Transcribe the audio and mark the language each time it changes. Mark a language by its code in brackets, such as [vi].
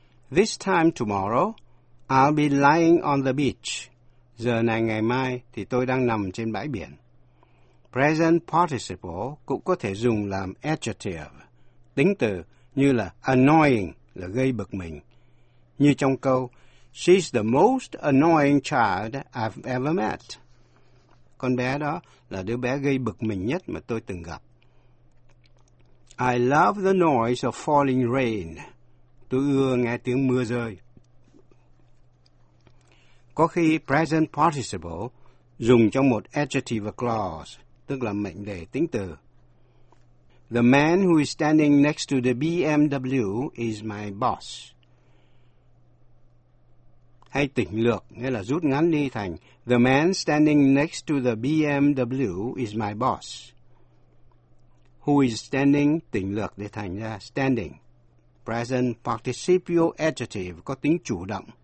[en] This time tomorrow, I'll be lying on the beach. [vi] Giờ này ngày mai thì tôi đang nằm trên bãi biển. Present participle cũng có thể dùng làm adjective, tính từ như là annoying, là gây bực mình. Như trong câu, [en] she's the most annoying child I've ever met. [vi] Con bé đó là đứa bé gây bực mình nhất mà tôi từng gặp. [en] I love the noise of falling rain. [vi] Tôi ưa nghe tiếng mưa rơi. Có khi present participle dùng trong một adjective clause, tức là mệnh đề tính từ. [en] The man who is standing next to the BMW is my boss. [vi] Hay tỉnh lược, nghĩa là rút ngắn đi thành [en] The man standing next to the BMW is my boss. Who is standing, [vi] tỉnh lược để thành ra standing. Present participial adjective có tính chủ động.